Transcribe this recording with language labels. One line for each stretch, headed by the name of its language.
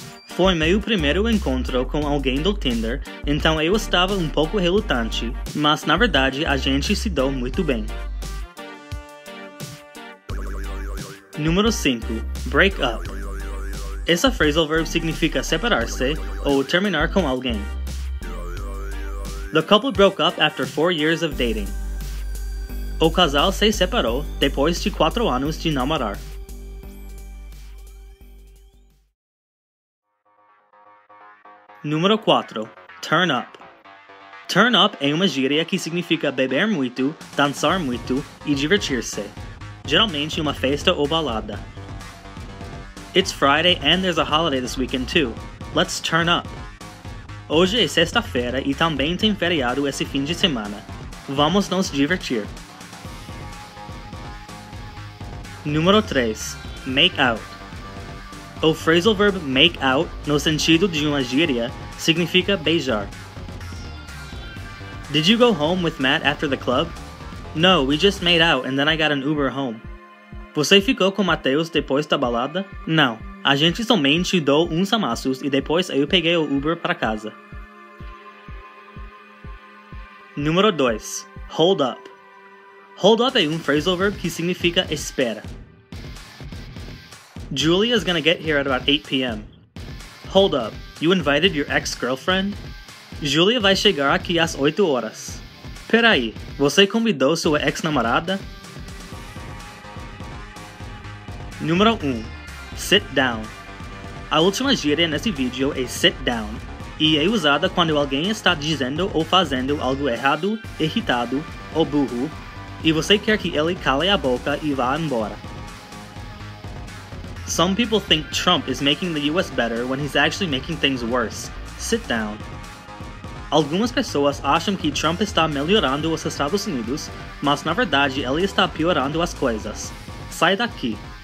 Portuguese: Foi meu primeiro encontro com alguém do Tinder, então eu estava um pouco relutante, mas na verdade a gente se deu muito bem. Número 5. Break up. Essa phrasal verb significa separar-se ou terminar com alguém.
English: The couple broke up after 4 years of dating.
Portuguese: O casal se separou depois de 4 anos de namorar. Número 4. Turn up. Turn up é uma gíria que significa beber muito, dançar muito e divertir-se. Geralmente uma festa ou balada.
English: It's Friday and there's a holiday this weekend too. Let's turn up.
Portuguese: Hoje é sexta-feira e também tem feriado esse fim de semana. Vamos nos divertir. Número 3. Make out. O phrasal verb make out, no sentido de uma gíria, significa beijar.
English: Did you go home with Matt after the club? No, we just made out and then I got an Uber home.
Portuguese: Você ficou com Matheus depois da balada? Não, a gente somente deu uns amassos e depois eu peguei o Uber para casa. Número 2. Hold up. Hold up é um phrasal verb que significa espera.
English: Julia is gonna get here at about 8 p.m. Hold up, you invited your ex-girlfriend?
Portuguese: Julia vai chegar aqui às 8 horas. Peraí, você convidou sua ex-namorada? Número 1. Sit down. A última gíria nesse vídeo é sit down, e é usada quando alguém está dizendo ou fazendo algo errado, irritado ou burro, e você quer que ele cale a boca e vá embora.
English: Some people think Trump is making the US better when he's actually making things worse. Sit down.
Portuguese: Algumas pessoas acham que Trump está melhorando os Estados Unidos, mas na verdade ele está piorando as coisas. Sai daqui.